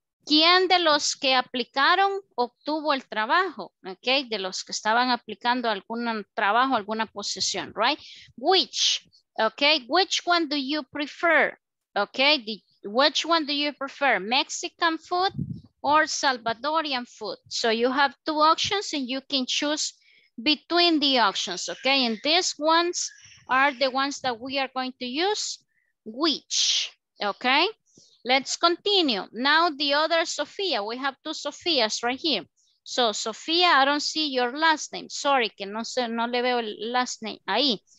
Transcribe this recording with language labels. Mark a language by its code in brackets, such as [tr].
[es] ¿Quién de los que aplicaron obtuvo el trabajo? Okay, de los que estaban aplicando algún trabajo, alguna posición, right? [en] Which, okay, which one do you prefer? Okay, which one do you prefer? Mexican food or Salvadorian food. So you have two options and you can choose between the options, okay? And these ones are the ones that we are going to use, which, okay? Let's continue. Now the other Sofia, we have two Sofias right here. So Sofia, I don't see your last name. [es] Sorry, que no sé, no le veo el last name ahí.